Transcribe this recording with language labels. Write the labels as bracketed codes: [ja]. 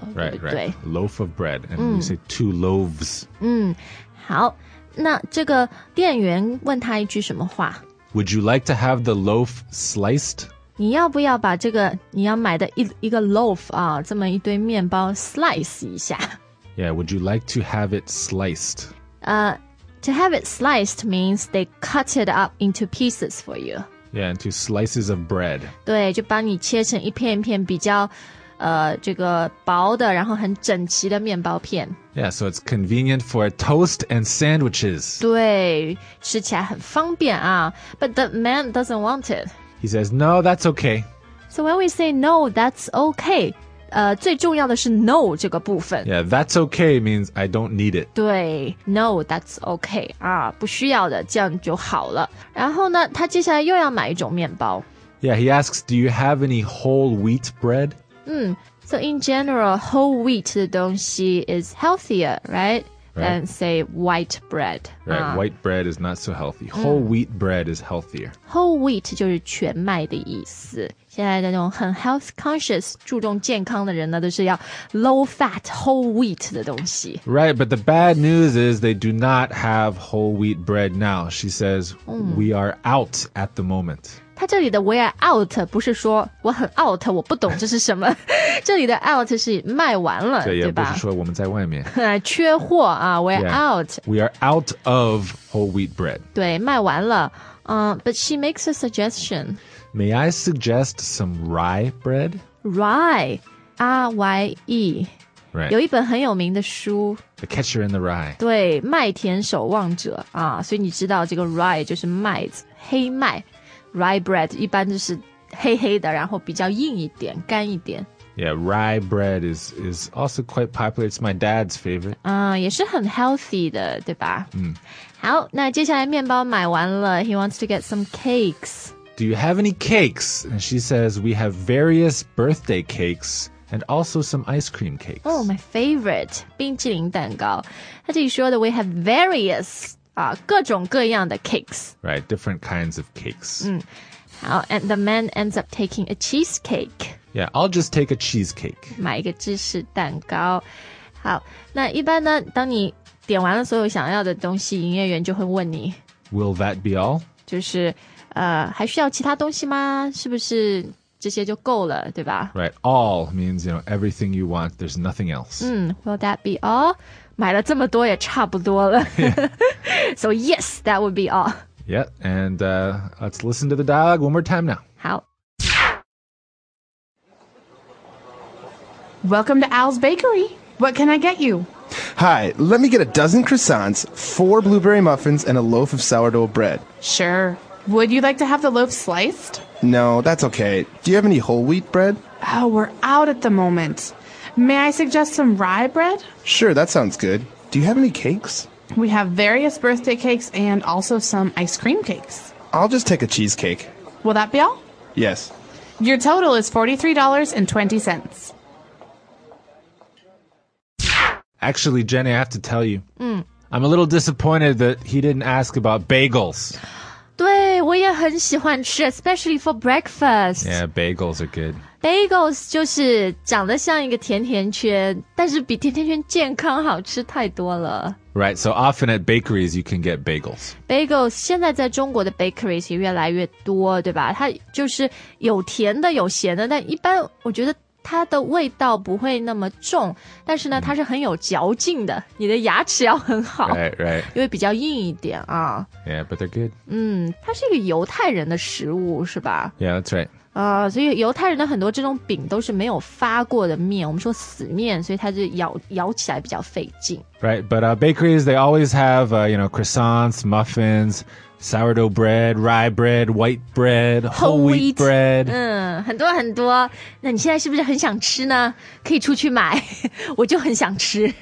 [en] right, [zh] 对不对 [en] right. Loaf of bread, and you say two loaves. [zh] 好,那这个店员问他一句什么话? [en] Would you like to have the loaf sliced? [zh] 你要不要把这个你要买的一个 loaf 啊,这么一堆面包 slice 一下? [en] Yeah, would you like to have it sliced? To have it sliced means they cut it up into pieces for you. Yeah, into slices of bread. [zh] 对，就把你切成一片一片比较，这个薄的，然后很整齐的面包片。 [en] Yeah, so it's convenient for toast and sandwiches. [zh] 对，吃起来很方便啊。 [en] But the man doesn't want it. He says, no, that's okay. So when we say no, that's okay, [zh] 最重要的是 [en] no 这个部分。 Yeah, that's okay means I don't need it. [zh] 对 , [en] no, that's okay, [zh] 啊，不需要的，这样就好了。然后呢，他接下来又要买一种面包。 [en] Yeah, he asks, do you have any whole wheat bread? So in general, whole wheat 的东西 is healthier, right? than say white bread. Right, white bread is not so healthy. Whole wheat bread is healthier. [zh] Whole wheat 就是全麦的意思。现在那种很 health conscious, 注重健康的人呢都是要 low fat, whole wheat 的东西。 [en] Right, but the bad news is they do not have whole wheat bread now. She says, we are out at the moment. [zh] 他这里的 [en] we are out [zh] 不是说我很 out 我不懂这是什么这里的 out 是卖完了对吧不是说我们在外面缺货啊 [en] we are out We are out of whole wheat bread [zh] 对卖完了、 [en] But she makes a suggestion May I suggest some rye bread? Rye R-Y-E Right. [zh] 有一本很有名的书 [en] The Catcher in the Rye [zh] 对麦田守望者、啊、所以你知道这个 rye 就是麦子黑麦Rye bread 一般就是黑黑的然后比较硬一点干一点 [en] Yeah, rye bread is also quite popular It's my dad's favorite [zh] 也是很 healthy 的对吧、 mm. 好那接下来面包买完了 [en] He wants to get some cakes Do you have any cakes? And she says we have various birthday cakesAnd also some ice cream cakes Oh, my favorite [zh] 冰淇淋蛋糕他这里说的 [en] We have various、 [zh] 各种各样的 cakes [en] Right, different kinds of cakes、好 And the man ends up taking a cheesecake Yeah, I'll just take a cheesecake [zh] 买一个芝士蛋糕好那一般呢当你点完了所有想要的东西营业员就会问你 [en] Will that be all? [zh] 就是、还需要其他东西吗是不是这些就够了对吧 [en] Right, all means, you know, everything you want, there's nothing else. Will that be all? [zh] 买了这么多也差不多了。 [en] Yeah. So yes, that would be all. Yeah, and let's listen to the dialogue one more time now. [zh] 好。 [en] Welcome to Al's Bakery. What can I get you? Hi, let me get a dozen croissants, 4 blueberry muffins, and a loaf of sourdough bread. Sure. Would you like to have the loaf sliced? No, that's okay. Do you have any whole wheat bread? Oh, we're out at the moment. May I suggest some rye bread? Sure, that sounds good. Do you have any cakes? We have various birthday cakes and also some ice cream cakes. I'll just take a cheesecake. Will that be all? Yes. Your total is $43.20. Actually, Jenny, I have to tell you. I'm a little disappointed that he didn't ask about bagels. [zh] 对我也很喜欢吃 [en] especially for breakfast. Yeah, bagels are good. [zh] Bagels 就是长得像一个甜甜圈但是比甜甜圈健康好吃太多了。 [en] Right, so often at bakeries you can get bagels. [zh] Bagels 现在在中国的 bakeries 也越来越多对吧它就是有甜的有咸的但一般我觉得它的味道不会那么重但是呢它是很有嚼劲的你的牙齿要很好 [en] right, right. [zh] 因为比较硬一点啊 [en] Yeah, but they're good [zh] 它是一个犹太人的食物是吧 [en] Yeah, that's right、 [zh] 所以犹太人的很多这种饼都是没有发过的面我们说死面所以它就 咬起来比较费劲 [en] Right, but bakeries, they always have you know, croissants, muffins,Sourdough bread, rye bread, white bread, whole wheat bread. [zh] 很多很多。那你现在是不是很想吃呢？可以出去买。我就很想吃。